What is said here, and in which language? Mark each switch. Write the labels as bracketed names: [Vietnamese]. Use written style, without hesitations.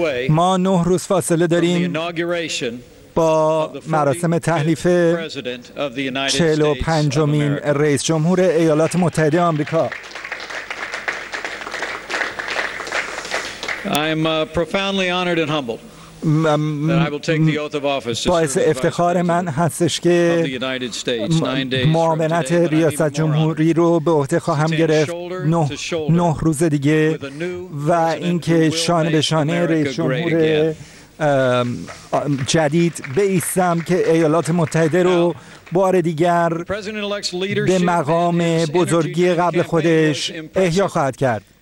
[Persian] ما 9 روز فاصله داریم با مراسم تحلیف 45th رئیس جمهور ایالات متحده آمریکا. [English] I'm profoundly honored and humbled that I will take the oath of office. [Persian] باعث افتخار من هستش که معاونت ریاست جمهوری رو به عهده خواهم گرفت 9 روز دیگه و اینکه شانه به شانه رئیس جمهور جدید بایستم که ایالات متحده رو بار دیگر به مقام بزرگی قبل خودش احیا خواهد کرد.